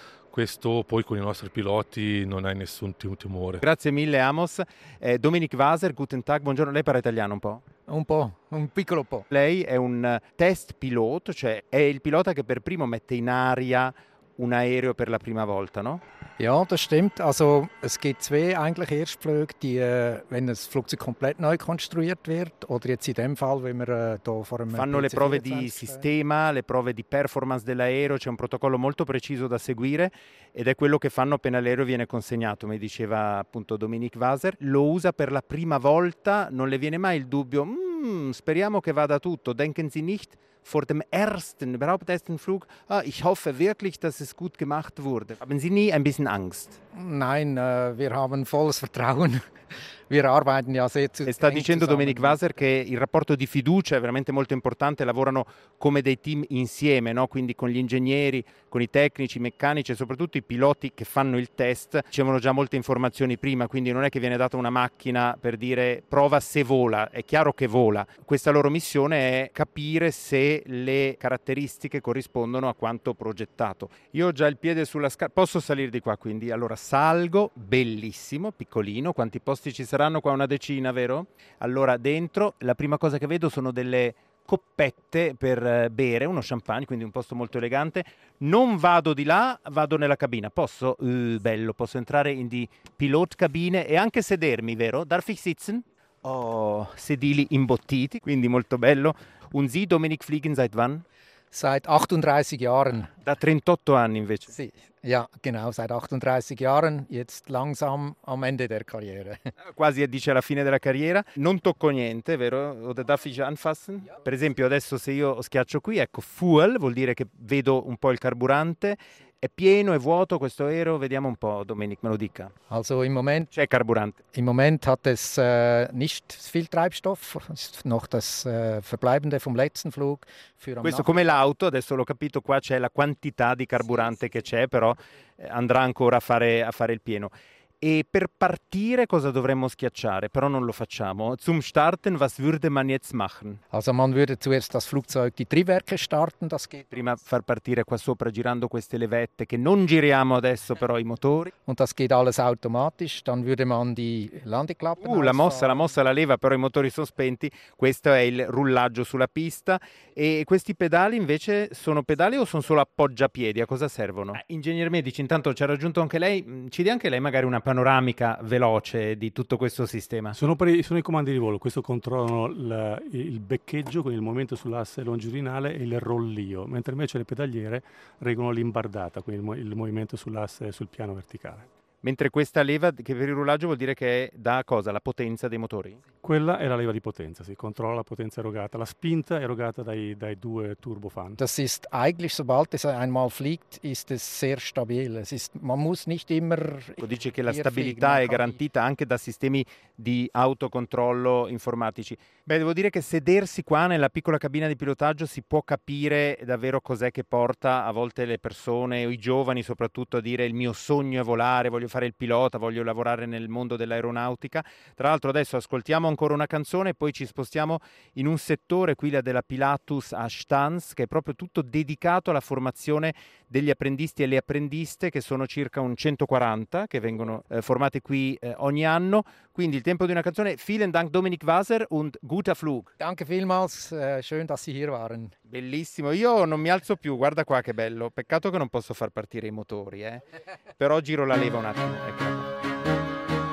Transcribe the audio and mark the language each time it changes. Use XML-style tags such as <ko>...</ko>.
<it>Questo poi con i nostri piloti non hai nessun timore. Grazie mille, Amos. Dominik Waser,</it> <de>Guten Tag,</de> <it>buongiorno. Lei parla italiano un po'? Un po', un piccolo po'. Lei è un test pilot, cioè è il pilota che per primo mette in aria un aereo per la prima volta, no?</it> <de>Ja, das stimmt. Also es gibt zwei eigentlich Erstflüge, die, wenn das Flugzeug komplett neu konstruiert wird, oder jetzt in dem Fall, wenn wir da vor einem</de> <it>fanno le prove di sistema, le prove di performance dell'aereo, c'è un protocollo molto preciso da seguire ed è quello che fanno appena l'aereo viene consegnato, mi diceva appunto Dominik Waser. Lo usa per la prima volta, non le viene mai il dubbio, speriamo che vada tutto,</it> <de>denken Sie nicht, vor dem ersten, überhaupt ersten Flug, ah, ich hoffe wirklich, dass es gut gemacht wurde. Haben Sie nie ein bisschen Angst? Nein, wir haben volles Vertrauen. Wir arbeiten ja sehr zusammen.</de> <it>E sta dicendo Dominik Waser che il rapporto di fiducia è veramente molto importante, lavorano come dei team insieme, no? Quindi con gli ingegneri, con i tecnici, i meccanici e soprattutto i piloti che fanno il test ricevono già molte informazioni prima, quindi non è che viene data una macchina per dire prova se vola, è chiaro che vola. Questa loro missione è capire se le caratteristiche corrispondono a quanto progettato. Io ho già il piede sulla scala, posso salire di qua quindi? Allora salgo, bellissimo, piccolino, quanti posti ci saranno qua? Una decina, vero? Allora dentro la prima cosa che vedo sono delle coppette per bere, uno champagne, quindi un posto molto elegante. Non vado di là, vado nella cabina. Posso? Bello, posso entrare</it> <de>in die Pilotkabine</de> <it>e anche sedermi, vero?</it> <de>Darf ich sitzen?</de> <it>Oh, sedili imbottiti, quindi molto bello.</it> <de>Und Sie, Dominik, fliegen seit wann? Seit 38 Jahren.</de> <it>Da 38 anni invece.</it> <de>Sì, ja, genau, seit 38 Jahren, jetzt langsam am Ende der Karriere.</de> <it>Quasi dice alla fine della carriera. Non tocco niente, vero?</it> <de>Oder darf ich anfassen? Ja.</de> <it>Per esempio, adesso se io schiaccio qui, ecco, fuel, vuol dire che vedo un po' il carburante. È pieno, è vuoto questo aereo? Vediamo un po', Dominik, me lo dica.</it> <de>Also im Moment</de> <it>c'è carburante.</it> <de>Im Moment hat es nicht viel Treibstoff, noch das verbleibende vom letzten Flug.</de> <it>Questo come l'auto, adesso l'ho capito, qua c'è la quantità di carburante che c'è, però andrà ancora a fare il pieno. E per partire cosa dovremmo schiacciare? Però non lo facciamo.</it> <de>Zum starten, was würde man jetzt machen? Also man würde zuerst das Flugzeug die Triebwerke starten, das geht.</de> <it>Prima far partire qua sopra girando queste levette che non giriamo adesso però i motori.</it> <de>Und das geht alles automatisch, dann würde man die Landeklappen.</de> <it>La mossa, la leva, però i motori sono spenti. Questo è il rullaggio sulla pista. E questi pedali invece sono pedali o sono solo appoggiapiedi? A cosa servono? Ingegner Medici, intanto ci ha raggiunto anche lei. Ci dia anche lei magari una panoramica veloce di tutto questo sistema. Sono i comandi di volo, questo controllano il beccheggio con il movimento sull'asse longitudinale e il rollio, mentre invece le pedaliere regolano l'imbardata, quindi il movimento sull'asse sul piano verticale. Mentre questa leva che per il rullaggio vuol dire che è da cosa? La potenza dei motori? Quella è la leva di potenza, si controlla la potenza erogata, la spinta erogata dai due turbofan.</it> <de>Das ist eigentlich, sobald es einmal fliegt, ist es sehr stabil. Es ist, man muss nicht immer.</de> <it>Dice che la stabilità è garantita anche da sistemi di autocontrollo informatici. Beh, devo dire che sedersi qua nella piccola cabina di pilotaggio si può capire davvero cos'è che porta a volte le persone, o i giovani soprattutto, a dire il mio sogno è volare, voglio fare il pilota, voglio lavorare nel mondo dell'aeronautica. Tra l'altro adesso ascoltiamo ancora una canzone e poi ci spostiamo in un settore, quella della Pilatus a Stans, che è proprio tutto dedicato alla formazione degli apprendisti e le apprendiste, che sono circa un 140 che vengono formate qui ogni anno. Quindi il tempo di una canzone.</it> <de>Vielen Dank, Dominik Waser, und guter Flug. Danke vielmals, schön dass Sie hier waren.</de> <it>Bellissimo, io non mi alzo più, guarda qua che bello. Peccato che non posso far partire i motori, Però giro la leva un attimo, ecco.</it>